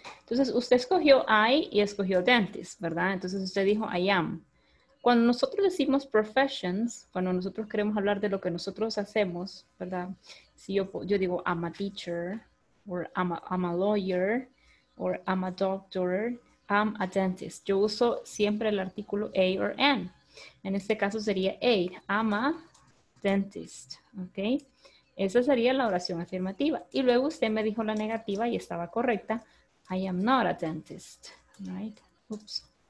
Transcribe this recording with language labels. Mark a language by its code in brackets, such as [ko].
[es] Entonces usted escogió I y escogió dentist, ¿verdad? Entonces usted dijo [en] I am. [es] Cuando nosotros decimos professions, cuando nosotros queremos hablar de lo que nosotros hacemos, ¿verdad? Si yo digo [en] I'm a teacher, or I'm a lawyer, or I'm a doctor, I'm a dentist. [es] Yo uso siempre el artículo A or N. En este caso sería A. [en] I'm a dentist. [es] ¿Ok? Esa sería la oración afirmativa. Y luego usted me dijo la negativa y estaba correcta. [en] I am not a dentist. Right? [es] Oops.